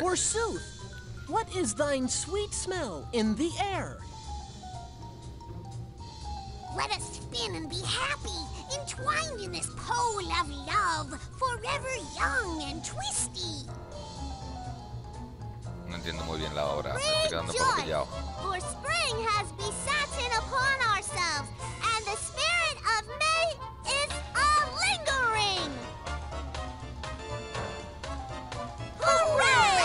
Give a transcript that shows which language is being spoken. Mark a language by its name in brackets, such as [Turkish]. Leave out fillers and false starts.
[English] Forsooth, what is thine sweet smell in the air? Let us spin and be happy, entwined in this pole of love, forever young and twisty. [Spanish] No entiendo muy bien la obra, me estoy quedando poco pillado. [English] For spring has besotten upon ourselves, and the spirit of May is a lingering. Hooray!